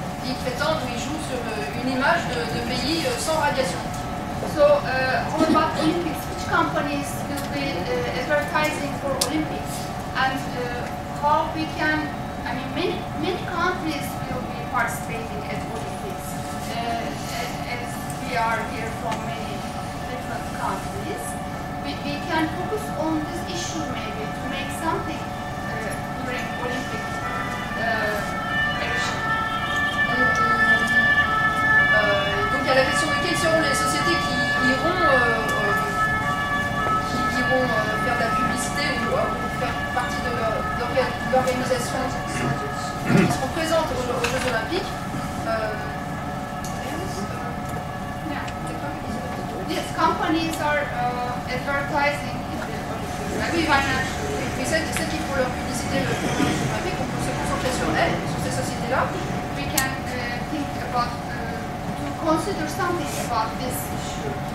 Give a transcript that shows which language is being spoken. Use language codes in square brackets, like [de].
[fr] Ils prétendent, ils jouent sur une image de pays sans radiation. [en] So, all about Olympics, which companies will be advertising for Olympics? And how we can, I mean, many countries will be participating at Olympics. are here from many different countries. We can focus on this issue maybe to make something during Olympic [fr] Donc il y a la question de quelles seront les sociétés qui iront faire de la publicité ou faire partie de l'organisation qui seront présentes aux Jeux Olympiques. [en] Yes, companies are advertising in the Olympics. [fr] Maybe celles qui font leur publicité pour les Jeux Olympiques, on peut se concentrer sur elles, sur ces sociétés-là. [en] We can think about to consider something about this issue.